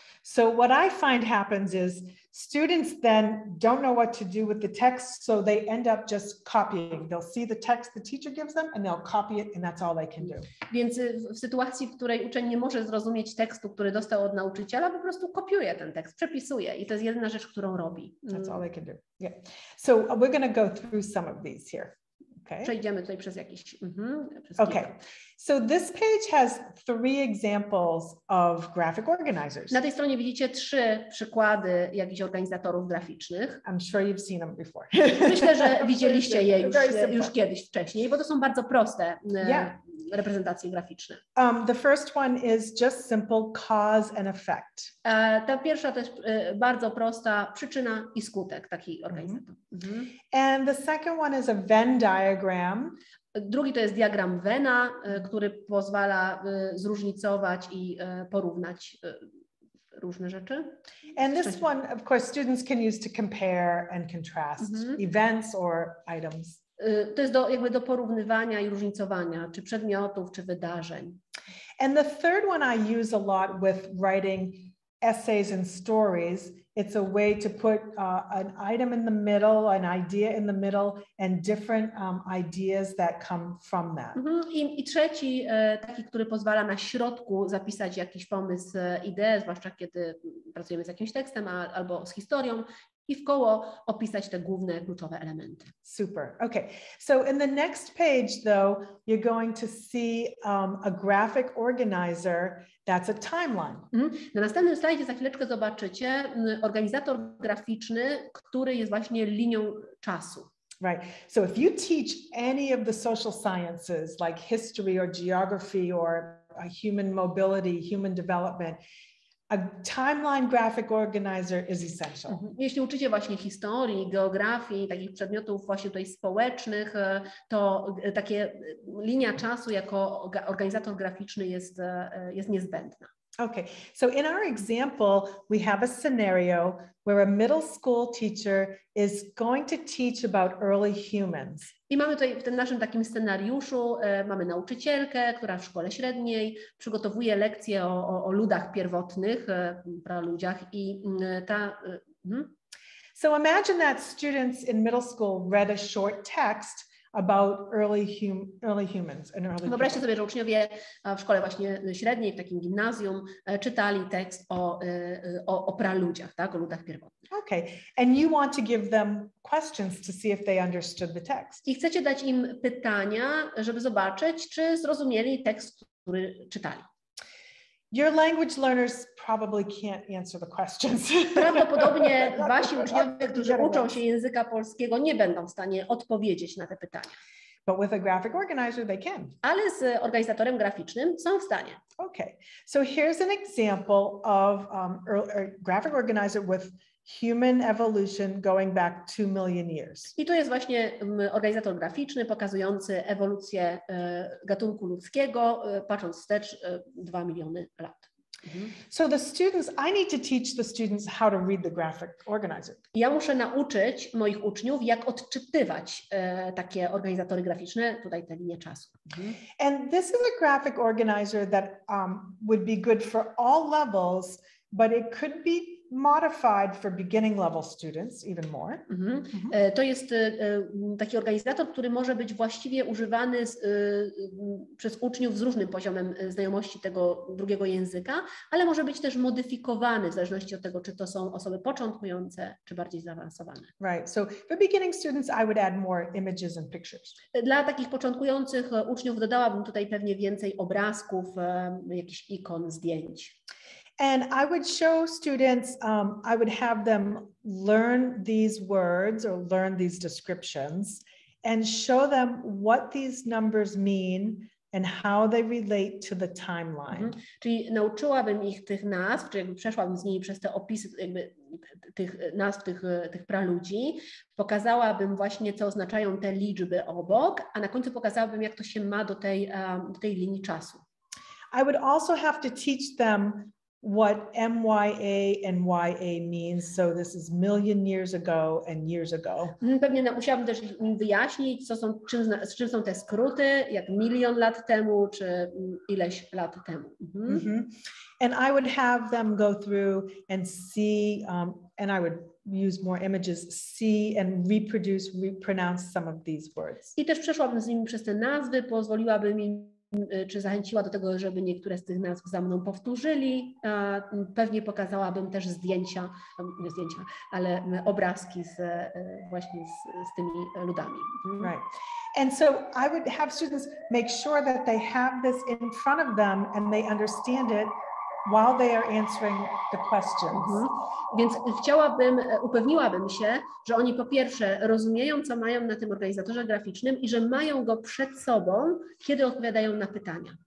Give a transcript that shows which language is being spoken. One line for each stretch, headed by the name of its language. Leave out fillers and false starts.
English: So what I find happens is students then don't know what to do with the text, so they end up just copying. They'll see the text the teacher gives them and they'll copy it and that's all they can do.
Polish: Więc w sytuacji, w której uczeń nie może zrozumieć tekstu, który dostał od nauczyciela, po prostu kopiuje ten tekst, przepisuje i to jest jedyna rzecz, którą robi.
English: That's all they can do. Yeah. So we're going to go through some of these here. Okay.
Polish: Przejdziemy tutaj przez jakieś,
English: Okay. So this page has three examples of graphic organizers.
Polish: Na tej stronie widzicie trzy przykłady jakichś organizatorów graficznych.
English: I'm sure you've seen them before.
Polish: Myślę, że widzieliście je już kiedyś wcześniej, bo to są bardzo proste reprezentacje graficzne.
English: The first one is just simple cause and effect.
Polish: Ta pierwsza to jest bardzo prosta przyczyna i skutek taki organizator. Mm-hmm.
English: And the second one is a Venn diagram.
Polish: Drugi to jest diagram Vena, który pozwala zróżnicować i porównać różne rzeczy.
English: And this one, of course, students can use to compare and contrast events or items.
Polish: To jest jakby do porównywania i różnicowania, czy przedmiotów, czy wydarzeń.
English: And the third one I use a lot with writing essays and stories. It's a way to put an item in the middle, an idea in the middle, and different ideas that come from that. Mm-hmm.
Polish: I trzeci, taki, który pozwala na środku zapisać jakiś pomysł, ideę, zwłaszcza kiedy pracujemy z jakimś tekstem albo z historią, i w koło opisać te główne, kluczowe elementy.
English: Super, okay. So in the next page, though, you're going to see a graphic organizer that's a timeline. Mm-hmm.
Polish: Na następnym slajdzie za chwileczkę zobaczycie organizator graficzny, który jest właśnie linią czasu.
English: Right, so if you teach any of the social sciences, like history or geography or human mobility, human development, a timeline graphic organizer is essential.
Polish: Jeśli uczycie właśnie historii, geografii, takich przedmiotów właśnie tutaj społecznych, to takie linia czasu jako organizator graficzny jest niezbędna.
English: Okay. So in our example, we have a scenario where a middle school teacher is going to teach about early humans.
Polish: I mamy tutaj w tym naszym takim scenariuszu mamy nauczycielkę, która w szkole średniej przygotowuje lekcje o ludach pierwotnych, praludziach i ta
English: So imagine that students in middle school read a short text about early humans and early
Polish: Wyobraźcie people. Sobie, że uczniowie w szkole właśnie średniej, w takim gimnazjum, czytali tekst o praludziach, tak, o ludach pierwotnych.
English: Okay. And you want to give them questions to see if they understood the text.
Polish: I chcecie dać im pytania, żeby zobaczyć, czy zrozumieli tekst, który czytali.
English: Your language learners probably can't answer the questions.
Polish: Prawdopodobnie wasi uczniowie, którzy uczą się języka polskiego, nie będą w stanie odpowiedzieć na te pytania.
English: But with a graphic organizer they can.
Polish: Ale z organizatorem graficznym są w stanie.
English: Okay. So here's an example of graphic organizer with human evolution going back 2 million years.
Polish: I to jest właśnie organizator graficzny pokazujący ewolucję gatunku ludzkiego patrząc wstecz 2 miliony lat.
English: So the students, I need to teach the students how to read the graphic organizer.
Polish: Ja muszę nauczyć moich uczniów, jak odczytywać takie organizatory graficzne, tutaj te linie czasu.
English: And this is a graphic organizer that would be good for all levels, but it could be modified for beginning level students even more. Mm-hmm. Mm-hmm.
Polish: To jest taki organizator, który może być właściwie używany przez uczniów z różnym poziomem znajomości tego drugiego języka, ale może być też modyfikowany w zależności od tego, czy to są osoby początkujące, czy bardziej zaawansowane.
English: Right. So for beginning students I would add more images and pictures.
Polish: Dla takich początkujących uczniów dodałabym tutaj pewnie więcej obrazków, jakichś ikon, zdjęć.
English: And I would show students, I would have them learn these words or learn these descriptions and show them what these numbers mean and how they relate to the timeline. Mm-hmm.
Polish: Czyli nauczyłabym ich tych nazw, czy jakby przeszłabym z nimi przez te opisy jakby tych nazw tych praludzi, pokazałabym właśnie, co oznaczają te liczby obok, a na końcu pokazałabym, jak to się ma do tej linii czasu.
English: I would also have to teach them what MYA and YA means, so this is million years ago and years ago.
Polish: Pewnie musiałabym też im wyjaśnić, czym są te skróty, jak milion lat temu, czy ileś lat temu.
English: And I would have them go through and see, and I would use more images, see and reproduce, repronounce some of these words.
Polish: I też przeszłabym z nimi przez te nazwy, pozwoliłabym im czy zachęciła do tego, żeby niektóre z tych nazw za mną powtórzyli. Pewnie pokazałabym też zdjęcia, nie zdjęcia, ale obrazki z, właśnie z tymi ludami.
English: Right. And so I would have students make sure that they have this in front of them and they understand it while they are answering the questions. Mm-hmm.
Polish: Więc chciałabym, upewniłabym się, że oni po pierwsze rozumieją, co mają na tym organizatorze graficznym i że mają go przed sobą, kiedy odpowiadają na pytania.